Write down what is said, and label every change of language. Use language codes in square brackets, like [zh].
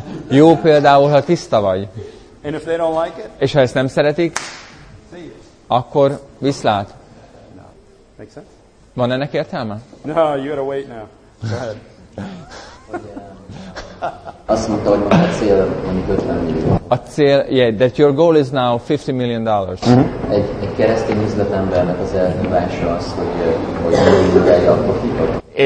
[hu] Jó például, ha tiszta vagy. [en] And if they don't like it, [hu] és ha ezt nem szeretik, [en] see you. [hu] akkor viszlát. [en] Make sense? [hu] Van ennek értelme? [en] No, you gotta wait now. Go ahead. [hu] Azt mondta, hogy a cél mondjuk 50 millió. A cél, [en] yeah, that your goal is now $50 million. Uh-huh. [hu] Egy keresztény üzletembernek az elvása az, hogy megjelje a profitot.